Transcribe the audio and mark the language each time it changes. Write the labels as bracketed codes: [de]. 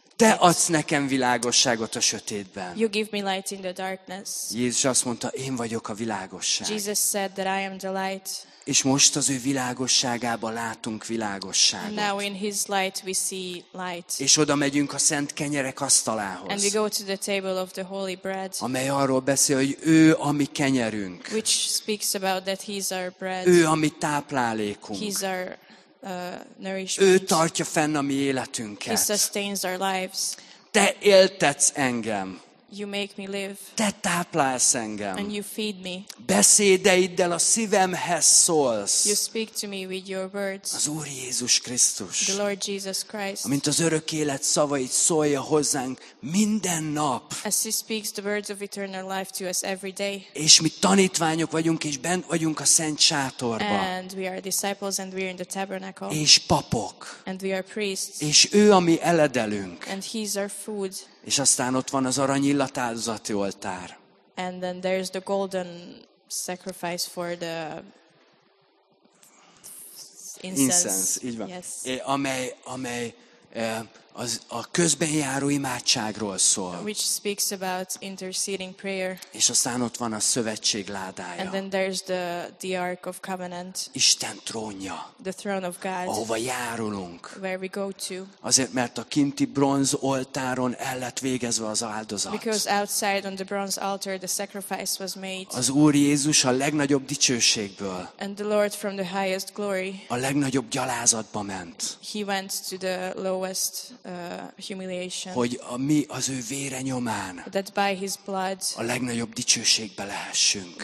[hu] Te adsz nekem világosságot a sötétben. [en] You give me light in the darkness. [hu] Jézus azt mondta, én vagyok a világosság. [en] Jesus said that I am the light. [hu] És most az ő világosságába látunk világosságot. [en] Now in his light we see light. [hu] És oda megyünk a szent kenyerek asztalához. [en] And we go to the table of the holy bread. [hu] Amely arról beszél, hogy ő a mi kenyerünk. [en] Which speaks about that he's our bread. [hu] Ő a mi táplálékunk. [en] He's our [hu] ő tartja fenn a mi életünket. [en] He sustains our lives. [hu] Te éltetsz engem. [en] You make me live. [hu] Te táplálsz engem. [en] And you feed me. [hu] Beszédeiddel a szívemhez szólsz. [en] You speak to me with your words. [hu] Az Úr Jézus Krisztus. [en] The Lord Jesus Christ. [hu] Amint az örök élet szavait szólja hozzánk minden nap. [en] As he speaks the words of eternal life to us every day. [hu] És mi tanítványok vagyunk és bent vagyunk a szent sátorban. [en] And we are disciples and we are in the tabernacle. [hu] És papok. [en] And we are priests. [hu] És ő a mi eledelünk. [en] And he is our food. [hu] És aztán ott van az arany illatáldozati oltár. [en] And then there's the golden sacrifice for the [hu] incense. Így van. [en] Yes. [hu] Amely az a közben járó imádságról szól. [en] Which speaks about interceding prayer. [hu] És aztán ott van a szövetség ládája. [en] And then there's the Ark of Covenant. [hu] Isten trónja. [en] The throne of God. [hu] Ahova járulunk. [en] Where we go to. [hu] Azért, mert a kinti bronz oltáron el lett végezve az áldozat. [en] Because outside on the bronze altar the sacrifice was made. [hu] Az Úr Jézus a legnagyobb dicsőségből. [en] And the Lord from the highest glory. [hu] A legnagyobb gyalázatba ment. [en] He went to the lowest humiliation. [hu] Hogy a mi az ő vére nyomán. [en] That by his blood. [hu] A legnagyobb dicsőségbe lehessünk.